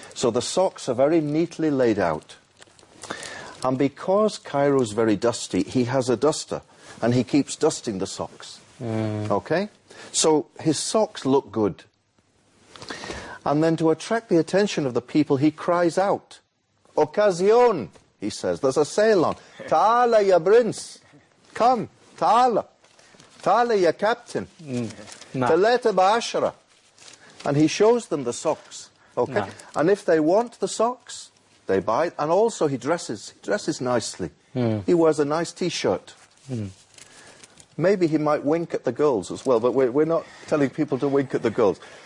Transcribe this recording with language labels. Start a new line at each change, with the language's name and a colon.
English: So the socks are very neatly laid out. And because Cairo's very dusty, he has a duster, and he keeps dusting the socks. Okay? So his socks look good. And then to attract the attention of the people, he cries out, Occasion! He says, there's a sale on.
Arabic: Ta'ala, ya prince.
English: Come,
Arabic: ta'ala. تعال يا كابتن ثلاثة بعشرة.
English: And he shows them the socks. Okay.
Arabic: نعم.
English: And if they want the socks, they buy it. And also he dresses. He dresses nicely. He wears a nice t-shirt. Maybe he might wink at the girls as well, but we're not telling people to wink at the girls.